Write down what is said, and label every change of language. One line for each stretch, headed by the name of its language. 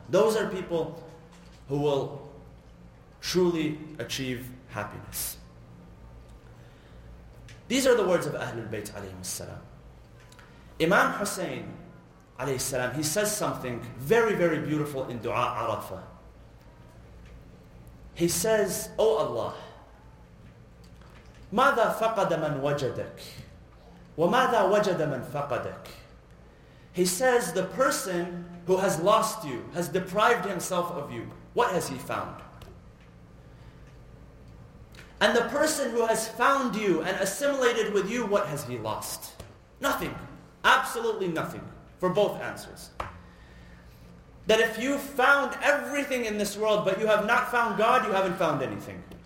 English: Those are people who will truly achieve happiness. These are the words of Ahlul Bayt alayhi salam. Imam Hussein alayhi salam, he says something very, very beautiful in Dua Arafah. He says, O Allah,
Arabic: ماذا فقد من وجدك وماذا وجد من فقدك.
English: He says, the person who has lost you, has deprived himself of you, what has he found? And the person who has found you and assimilated with you, what has he lost? Nothing. Absolutely nothing for both answers. That if you found everything in this world but you have not found God, you haven't found anything.